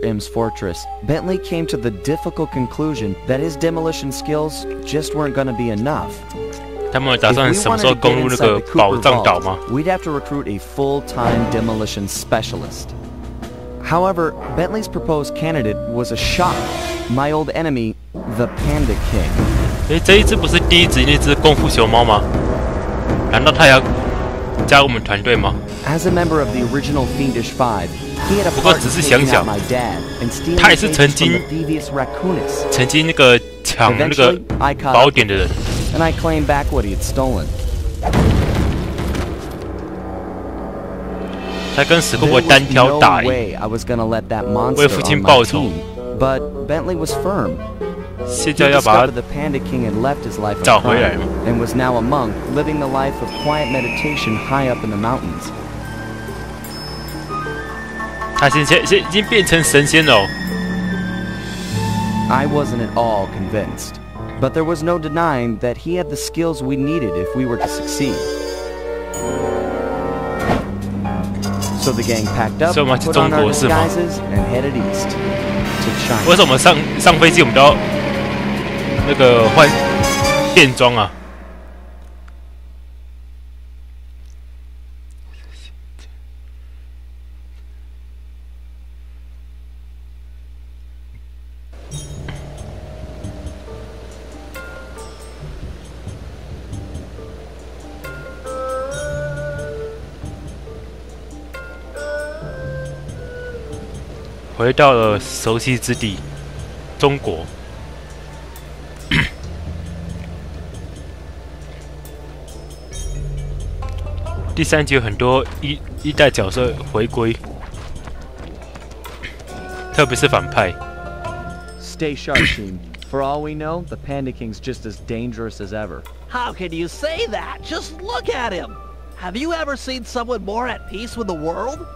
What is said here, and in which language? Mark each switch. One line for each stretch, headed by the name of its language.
English: M's fortress, Bentley came to the difficult conclusion that his demolition skills just weren't going to be enough.
Chinese: 他们打算什么时候攻入那个宝藏岛吗？
English: We'd have to recruit a full-time demolition specialist. However, Bentley's proposed candidate was a shock. My old enemy, the Panda King.
Chinese: 这一只不是第一集那只功夫熊猫吗？难道他要加入我们团队吗？
English: As a member of the original Fiendish Five, he had a part in taking out my dad and stealing from the devious raccoonists.
Chinese: 曾经那个抢那个宝典的人。
English: And I claimed back what he had stolen.
Chinese: 他跟史庫柏单挑打赢。
English: There was no way I was going to let that monster on my team. But Bentley was firm. He discovered the Panda King had left his life of crime and was now a monk living the life of quiet meditation high up in the mountains.
Chinese: 他已经变成神仙了。
English: I wasn't at all convinced, but there was no denying that he had the skills we needed if we were to succeed. So the gang packed up, put on our disguises, and headed east to China.
Chinese: 为什么上飞机我们都要那个变装啊？回到了熟悉之地，中国。第三集有很多一代角色回归，特别是反派。
English: Stay sharp, team. For all we know, the Panda King's just as dangerous as ever. How can you say that? Just look at him. Have you ever seen someone more at peace with the world?